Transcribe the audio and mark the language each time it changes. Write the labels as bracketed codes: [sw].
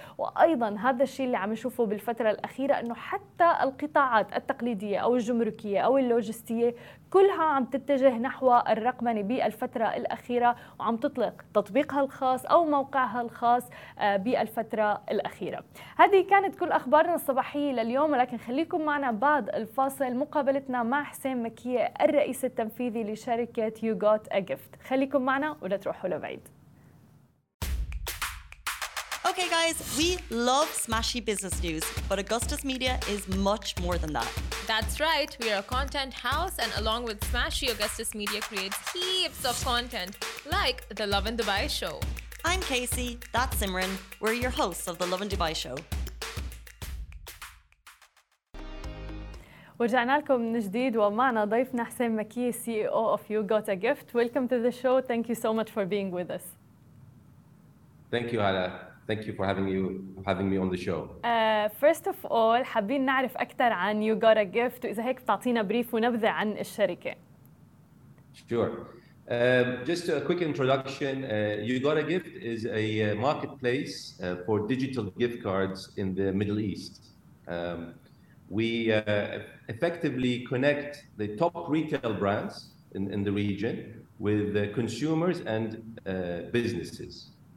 [ar] وأيضاً هذا الشيء اللي عم نشوفه بالفترة الأخيرة أنه حتى القطاعات التقليدية أو الجمركية أو اللوجستية كلها عم تتجه نحو الرقمنة بالفترة الأخيرة، وعم تطلق تطبيقها الخاص أو موقعها الخاص بالفترة الأخيرة. هذه كانت كل أخبارنا الصباحية لليوم، ولكن خليكم معنا بعد الفاصل مقابلتنا مع حسين مكية الرئيس التنفيذي لشركة You Got A Gift. خليكم معنا ولا تروحوا لبعيد. [en] Okay guys, we love smashy business news, but Augustus Media is much more than that. That's right, we are a content house, and along with Smashy, Augustus Media creates heaps of content, like The Love in Dubai Show. I'm Casey, that's Simran, we're your hosts of The Love in Dubai Show. [ar] ورجعنا لكم من جديد ومعنا ضيفنا حسين مكية, [en] CEO of You Got A Gift. Welcome to the show, thank you so much for being with us. Thank you, Hala. Thank you for having me on the show. First of all, [ar] حابين نعرف أكثر عن You Got A Gift, وإذا هيك بتعطينا بريف ونبذة عن الشركة. [en] Sure. Just a quick introduction. You Got A Gift is a marketplace for digital gift cards in the Middle East. We effectively connect the top retail brands in the region with the consumers and businesses.